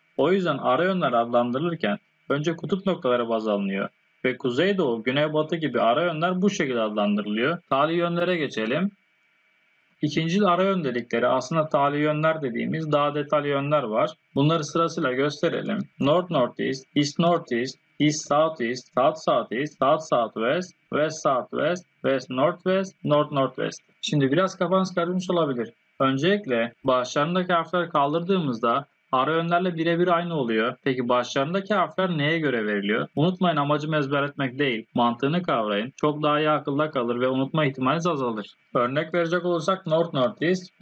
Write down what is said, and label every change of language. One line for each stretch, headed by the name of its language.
Turkish: O yüzden ara yönler adlandırılırken önce kutup noktaları baz alınıyor. Ve kuzeydoğu, güneybatı gibi ara yönler bu şekilde adlandırılıyor. Tali yönlere geçelim. İkinci ara yön dedikleri aslında tali yönler dediğimiz daha detaylı yönler var. Bunları sırasıyla gösterelim.
English: North Northeast, East Northeast, East Southeast, South Southeast, South Southwest, West Southwest, West Northwest, North Northwest.
Turkish: Şimdi biraz kafanız karışmış olabilir. Öncelikle başlarındaki harfleri kaldırdığımızda ara yönlerle birebir aynı oluyor. Peki başlarındaki harfler neye göre veriliyor? Unutmayın, amacım ezber etmek değil. Mantığını kavrayın. Çok daha iyi akılda kalır ve unutma ihtimaliniz azalır. Örnek verecek olursak North Northeast.